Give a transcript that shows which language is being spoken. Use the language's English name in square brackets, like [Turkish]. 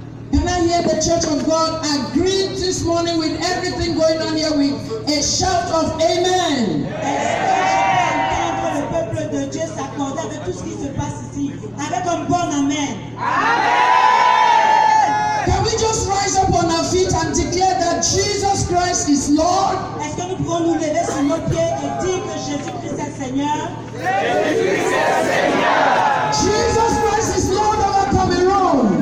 [English] Can I hear the Church of God agree this morning with everything going on here with a shout of amen? [French] Le peuple de Dieu s'accorde avec tout ce qui se passe ici avec un bon amen. Amen. [English] Can we just rise up on our feet and declare that Jesus Christ is Lord? [French] Est-ce que nous pouvons nous lever sur nos pieds et dire que Jésus Christ est Seigneur? Jésus Christ est Seigneur. [English] Jesus Christ is Lord of our coming room.